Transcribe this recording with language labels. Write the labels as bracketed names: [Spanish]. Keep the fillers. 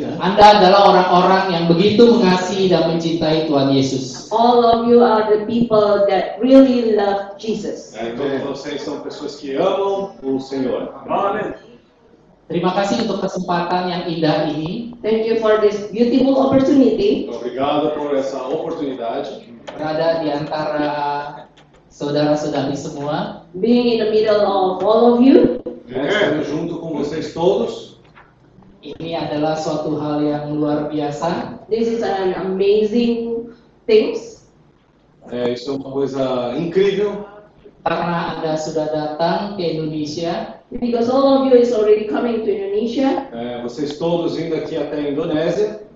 [Indonesian] que, Anda adalah orang-orang yang begitu mengasihi dan mencintai Tuhan Yesus. [English] All of you are the people that really love Jesus. [Portuguese] É. É. amam. Amam. [Indonesian] Terima kasih untuk kesempatan yang indah ini. [English] Thank you for this beautiful opportunity. [Portuguese] Muito obrigado por essa oportunidade. [Indonesian] Berada di antara saudara-saudari semua. [English] Being in the middle of all of you. [Portuguese] Estamos junto com vocês todos. [Indonesian] Ini adalah suatu hal yang luar biasa. [English] This is an amazing things. [Portuguese] É, isso é uma coisa incrível. [Indonesian] Karena Anda sudah datang ke Indonesia. [English] Because all of you is already coming to Indonesia. [Portuguese] É, vocês todos indo aqui até a Indonésia.